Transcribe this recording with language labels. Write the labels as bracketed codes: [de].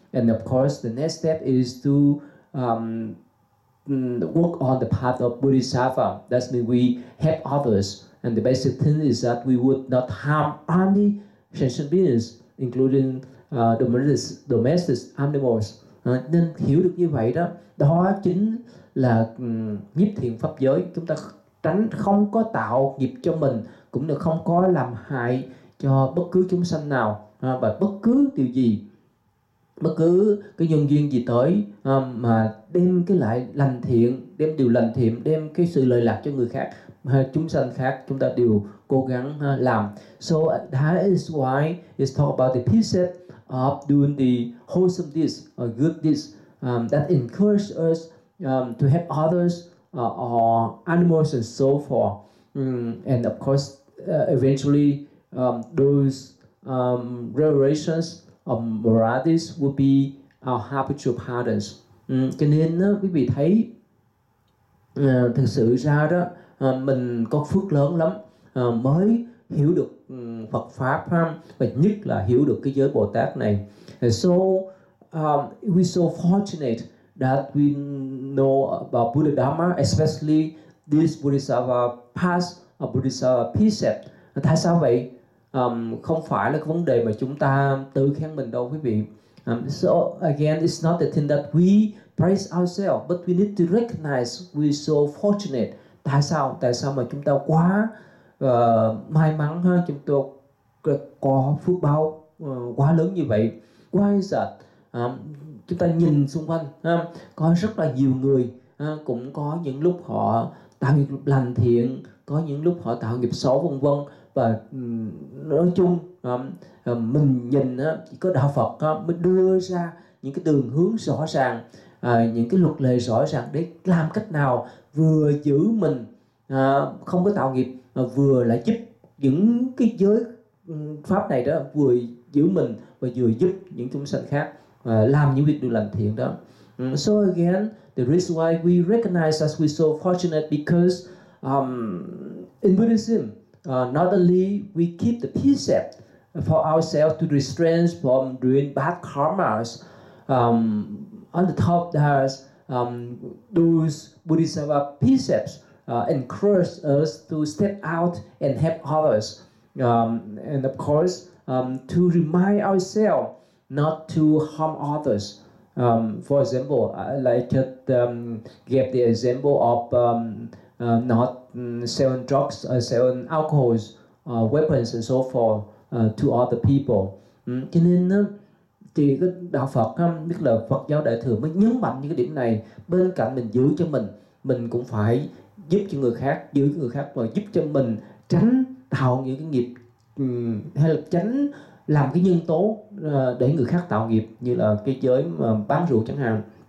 [en] And of course, the next step is to work on the path of Bodhisattva. That means we help others, and the basic thing is that we would not harm any sentient beings, including domestic animals. [vi] Nên hiểu được như vậy đó, đó chính là nhiếp thiện pháp giới. Chúng ta tránh không có tạo nghiệp cho mình, cũng được không có làm hại cho bất cứ chúng sanh nào, và bất cứ điều gì, bất cứ cái nhân duyên gì tới mà đem cái lại lành thiện, đem điều lành thiện, đem cái sự lợi lạc cho người khác, chúng sanh khác, chúng ta đều cố gắng làm. [en] So that is why it's talk about the precept of doing the wholesome deeds or good deeds that encourage us to help others or animals and so forth. And of course, eventually those revelations of moralities will be our habitual patterns. [vi] Cho nên quý vị thấy thực sự ra đó mình có phước lớn lắm mới hiểu được Phật pháp ha, và nhất là hiểu được cái giới Bồ Tát này. [en] So we so fortunate that we know about Buddha Dharma, especially this Bodhisattva path, a Bodhisattva precept. [vi] Tại sao vậy? Không phải là cái vấn đề mà chúng ta tự khen mình đâu, quý vị. [en] So again, it's not the thing that we praise ourselves, but we need to recognize we're so fortunate. [vi] Tại sao? Tại sao mà chúng ta quá may mắn ha? Chúng ta có phước báo quá lớn như vậy. [en] Why is that? [vi] Chúng ta nhìn xung quanh, có rất là nhiều người cũng có những lúc họ tạo nghiệp lành thiện, có những lúc họ tạo nghiệp xấu vân vân. Và nói chung, mình nhìn chỉ có đạo Phật mới đưa ra những cái đường hướng rõ ràng, những cái luật lệ rõ ràng để làm cách nào vừa giữ mình không có tạo nghiệp, vừa lại giúp những cái giới pháp này đó, vừa giữ mình và vừa giúp những chúng sanh khác làm những việc điều lành thiện đó. [en] So again, the reason why we recognize that we're so fortunate because in Buddhism, not only we keep the precept for ourselves to restrain from doing bad karmas, on the top there's those Bodhisattva precepts encourage us to step out and help others. And of course, to remind ourselves not to harm others. For example, I gave the example of not selling drugs, selling alcohols, weapons and so forth to other people. [vi] Cho nên thì cái đạo Phật, biết là Phật giáo đại thừa mới nhấn mạnh những cái điểm này. Bên cạnh mình giữ cho mình cũng phải giúp cho người khác, giữ người khác và giúp cho mình tránh tạo những cái nghiệp, hay là tránh làm cái nhân tố để người khác tạo nghiệp, như là cái giới mà bán rượu chẳng hạn.